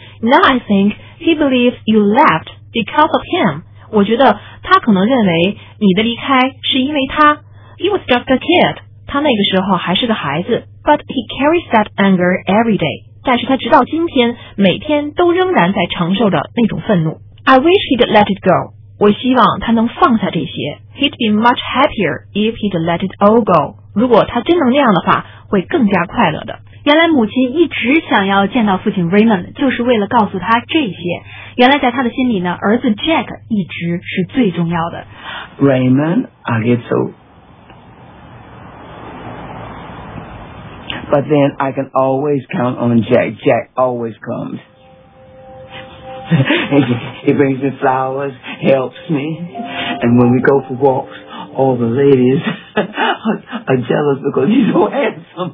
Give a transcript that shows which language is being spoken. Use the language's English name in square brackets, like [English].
[English] Now I think he believes you left because of him. [Chinese] 我觉得他可能认为你的离开是因为他。 [English] He was just a kid. [Chinese] 他那个时候还是个孩子。 [English] But he carries that anger every day. [Chinese] 但是他直到今天每天都仍然在承受着那种愤怒。 [English] I wish he'd let it go. [Chinese] 我希望他能放下这些。 [English] He'd be much happier if he'd let it all go. [Chinese] 如果他真能那样的话，会更加快乐的。原来母亲一直想要见到父亲 Raymond， 就是为了告诉他这些。原来在他的心里呢，儿子 Jack 一直是最重要的。 [English] Raymond a little But then I can always count on Jack. Jack always comes. He brings me flowers, helps me. And when we go for walks, all the ladies are jealous because he's so handsome.